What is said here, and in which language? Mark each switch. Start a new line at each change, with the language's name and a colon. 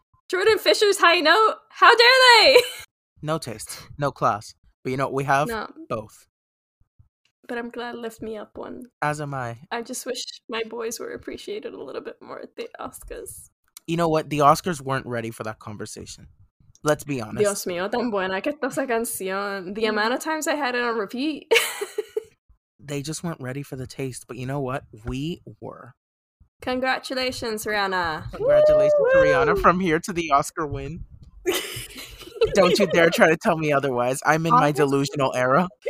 English: Jordan Fisher's High Note? How dare they? No taste, no class. But you know what we have? No. Both. But I'm glad Lift Me Up won. As am I. I just wish my boys were appreciated a little bit more at the Oscars. You know what? The Oscars weren't ready for that conversation. Let's be honest.
Spanish: Dios mío, tan buena que está esa canción.
English: The amount of times I had it on repeat. They just weren't ready for the taste. But you know what? We were. Congratulations, Rihanna. Congratulations, woo-hoo! Rihanna, from here to the Oscar win. Don't you dare try to tell me otherwise. I'm in my delusional era.